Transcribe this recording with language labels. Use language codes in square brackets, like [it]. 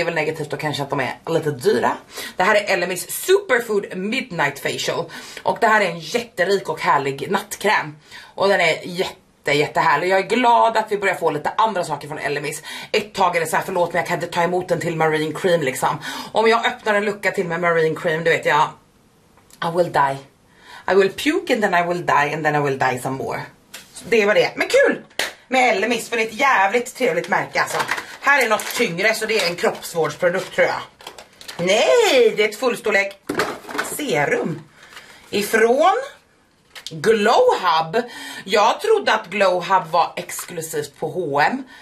[sv] Det är väl negativt och kanske att de är lite dyra. Det här är Elemis Superfood Midnight Facial. Och det här är en jätterik och härlig nattkräm. Och den är jättehärlig. Jag är glad att vi börjar få lite andra saker från Elemis. Ett tag är det så här, förlåt mig, jag kan inte ta emot den till Marine Cream liksom. Om jag öppnar en lucka till med Marine Cream, du vet jag... [en] I will die. I will puke and then I will die and then I will die some more. [sv] Så det var det. Men kul! Med Elemis, för det är ett jävligt trevligt märke alltså. Här är något tyngre, så det är en kroppsvårdsprodukt tror jag. Nej, det är ett fullstorlek serum. Ifrån Glowhub. Jag trodde att Glowhub var exklusivt på H&M.